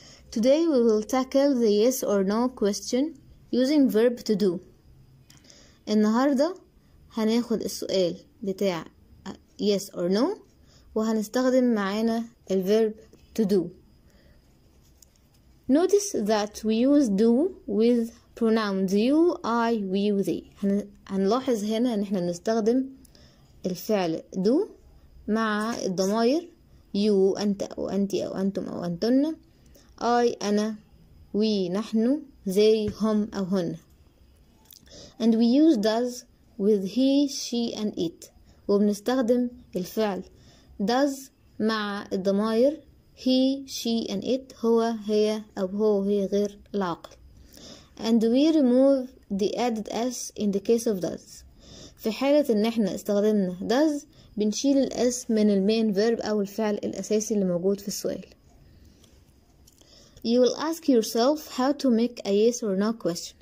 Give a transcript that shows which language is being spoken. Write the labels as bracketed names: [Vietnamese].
[English] Today we will tackle the yes or no question using verb to do. [Arabic] النهاردة هناخد السؤال بتاع [English] yes or no [Arabic] وهنستخدم معانا ال [English] verb to do. Notice that we use do with pronouns you, I, we, they. [Arabic] هنلاحظ هنا ان احنا بنستخدم الفعل do مع الضمائر you انت او انتي او انتم او انتن، I انا، we نحن، they هم او هن. [English] And we use does with he, she and it. [Arabic] وبنستخدم الفعل does مع الضمائر [English] he, she and it، [Arabic] هو هي او هو هي غير العاقل. [English] And we remove the added s in the case of does. [Arabic] في حالة ان احنا استخدمنا does بنشيل الاس من المين فيرب او الفعل الاساسي اللي موجود في السؤال. [English] You will ask yourself how to make a yes or no question.